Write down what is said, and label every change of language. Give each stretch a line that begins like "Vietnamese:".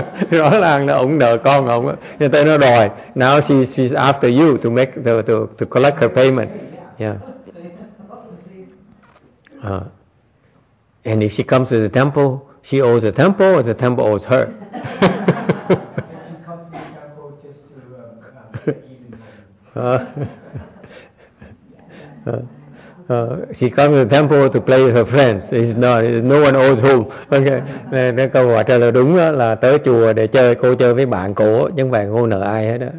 Vietnamese: Rõ ràng là ông nợ con ông á, nên tới nó đòi.
English: Now she's after you to make to collect her payment. Yeah. And if she comes to the temple, she owes the temple, or the temple owes her. She comes to the temple just to even. She comes to the temple to play with her friends. It's not. It's no one owes whom. Okay.
Vietnamese: Này, nên câu hỏi trả lời đúng đó, là tới chùa để chơi, cô chơi với bạn cô, nhưng mà cô nợ ai hết đó.